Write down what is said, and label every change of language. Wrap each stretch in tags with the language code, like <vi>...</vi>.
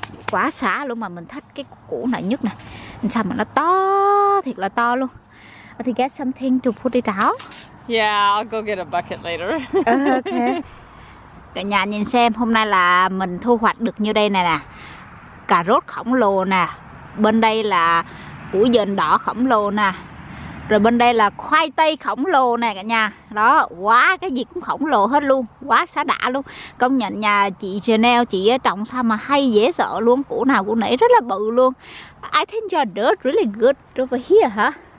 <vi>Quá xá luôn mà mình thích cái củ này nhất nè. Sao mà nó to, thiệt là to luôn.</vi> <en>I think get something to put it out. Yeah, I'll go get a bucket later. Okay.</en> <vi>Cả nhà nhìn xem hôm nay là mình thu hoạch được như đây này nè. Cà rốt khổng lồ nè. Bên đây là củ dền đỏ khổng lồ nè. Rồi bên đây là khoai tây khổng lồ nè cả nhà. Đó, quá cái gì cũng khổng lồ hết luôn. Quá xá đã luôn. Công nhận nhà chị Janelle, chị trồng sao mà hay dễ sợ luôn. Củ nào cũng nảy rất là bự luôn.</vi> <en>I think your dirt really good over here, huh?</en>